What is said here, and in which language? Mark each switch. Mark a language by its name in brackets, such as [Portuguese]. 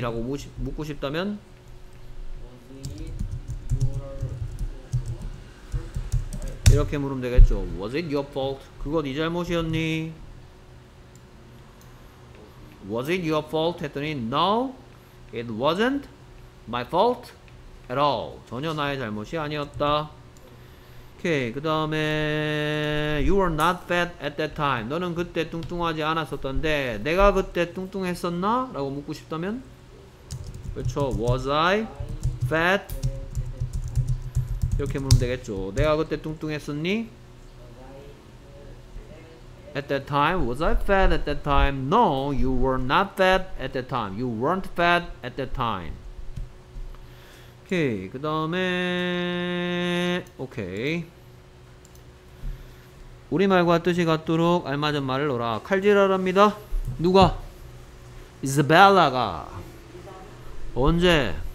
[Korean] 라고 묻고 싶다면 이렇게 물으면 되겠죠. [English] Was it your fault? [Korean] 그거 네 잘못이었니? [English] Was it your fault? [Korean] 했더니 [English] No, it wasn't my fault at all. [Korean] 전혀 나의 잘못이 아니었다. 오케이. 그 다음에 [English] You were not fat at that time. [Korean] 너는 그때 뚱뚱하지 않았었던데 내가 그때 뚱뚱했었나? 라고 묻고 싶다면 그렇죠. [English] Was I fat? [Korean] 이렇게 물으면 되겠죠. 내가 그때 뚱뚱했었니? [English] At that time, was I fat at that time? No, you were not fat at that time. You weren't fat at that time. [Korean] 오케이, 그 다음에 오케이 우리말과 뜻이 같도록 알맞은 말을 넣어라. 칼질하랍니다. 누가? Isabella가 언제?